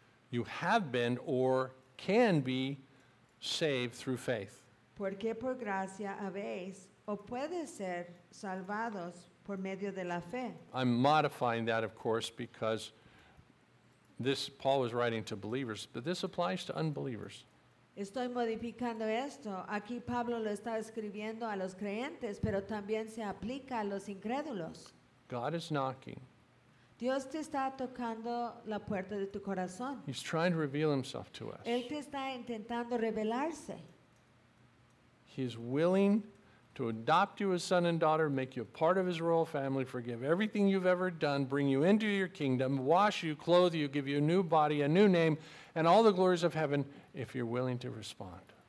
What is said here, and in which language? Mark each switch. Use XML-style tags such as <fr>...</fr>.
<en>you have been or can be saved through faith.</en> <es>Porque por gracia habéis o puedes ser salvados por medio de la fe.</es> <en>I'm modifying that, of course, because this Paul was writing to believers, but this applies to unbelievers.</en> <es>Estoy modificando esto. Aquí Pablo lo está escribiendo a los creyentes, pero también se aplica a los incrédulos.</es> <en>God is knocking.</en> <es>Dios te está tocando la puerta de tu corazón.</es> <en>He's trying to reveal himself to us.</en> <es>Él te está intentando revelarse.</es> <en>He's willing to adopt you as son and daughter, make you a part of his royal family, forgive everything you've ever done, bring you into your kingdom, wash you, clothe you, give you a new body, a new name, and all the glories of heaven if you're willing to respond.</en>